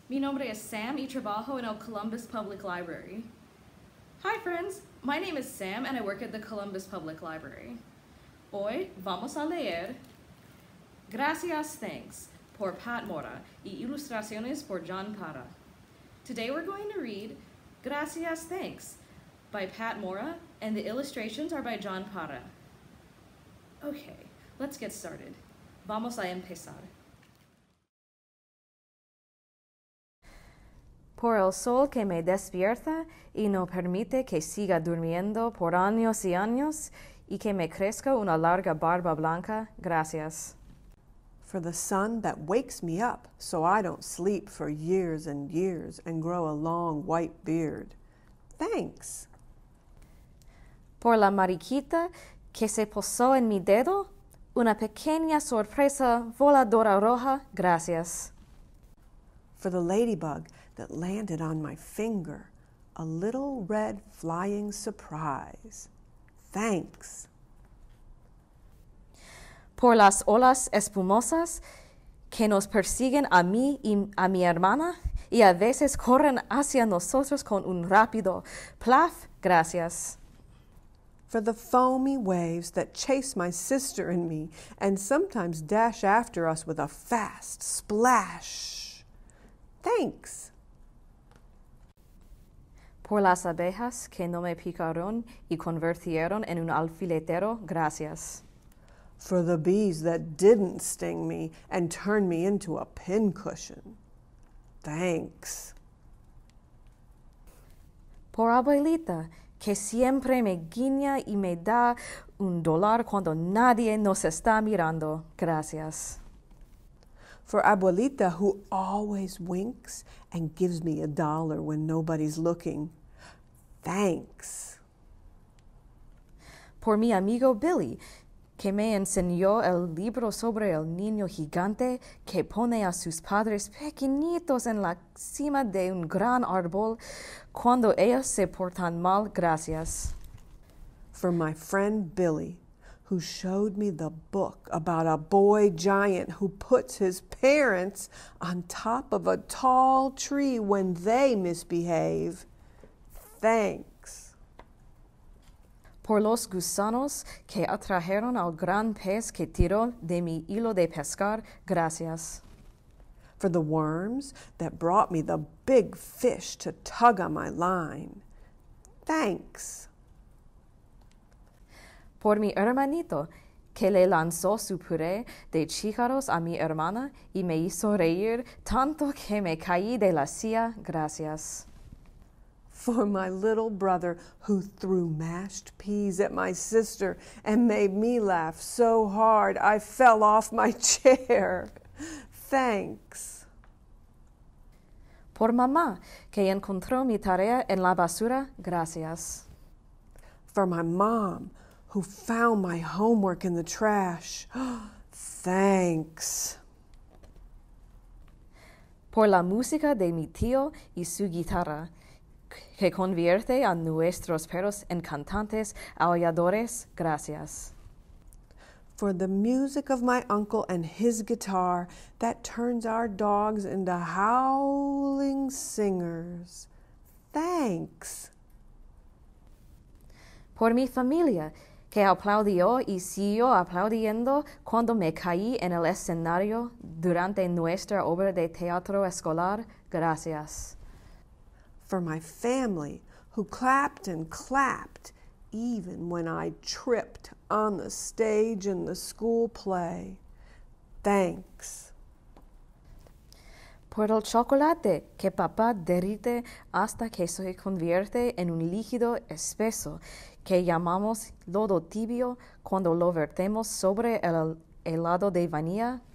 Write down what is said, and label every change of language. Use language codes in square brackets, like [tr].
[es] Mi nombre es Sam y trabajo en el Columbus Public Library. [en] Hi, friends. My name is Sam, and I work at the Columbus Public Library. [es] Hoy vamos a leer Gracias, Thanks, por Pat Mora, y Ilustraciones por John Parra. [en] Today we're going to read Gracias, Thanks, by Pat Mora, and the illustrations are by John Parra. Okay, let's get started. [es] Vamos a empezar. por el sol que me despierta y no permite que siga durmiendo por años y años y que me crezca una larga barba blanca. Gracias. [en] For the sun that wakes me up so I don't sleep for years and years and grow a long white beard. Thanks. [es] Por la mariquita que se posó en mi dedo, una pequeña sorpresa voladora roja, gracias. [en] For the ladybug that landed on my finger, a little red flying surprise, thanks. [es] Por las olas espumosas que nos persiguen a mí y a mi hermana, y a veces corren hacia nosotros con un rápido plaf, gracias. [en] For the foamy waves that chase my sister and me and sometimes dash after us with a fast splash. Thanks. [es] Por las abejas que no me picaron y convirtieron en un alfiletero, gracias. [en] For the bees that didn't sting me and turn me into a pincushion. Thanks. [es] Por abuelita, que siempre me guiña y me da un dólar cuando nadie nos está mirando. Gracias. [en] For abuelita who always winks and gives me a dollar when nobody's looking. Thanks. [es] Por mi amigo Billy, que me enseñó el libro sobre el niño gigante que pone a sus padres pequeñitos en la cima de un gran árbol cuando ellos se portan mal, gracias. [en] For my friend Billy, who showed me the book about a boy giant who puts his parents on top of a tall tree when they misbehave, thanks. [es] Por los gusanos que atrajeron al gran pez que tiró de mi hilo de pescar, gracias. [en] For the worms that brought me the big fish to tug on my line, thanks. [es] Por mi hermanito que le lanzó su puré de chícharos a mi hermana y me hizo reír tanto que me caí de la silla, gracias. [en] For my little brother who threw mashed peas at my sister and made me laugh so hard I fell off my chair. Thanks. [es] Por mamá que encontró mi tarea en la basura, gracias. [en] For my mom who found my homework in the trash. Thanks. [es] Por la música de mi tío y su guitarra. Que convierte a nuestros perros en cantantes aulladores, gracias. [en] For the music of my uncle and his guitar that turns our dogs into howling singers, thanks. [es] Por mi familia que aplaudió y siguió aplaudiendo cuando me caí en el escenario durante nuestra obra de teatro escolar, gracias. [en] For my family, who clapped and clapped, even when I tripped on the stage in the school play. Thanks. [es] Por el chocolate que papá derrite hasta que se convierte en un líquido espeso que llamamos lodo tibio cuando lo vertemos sobre el helado de vainilla.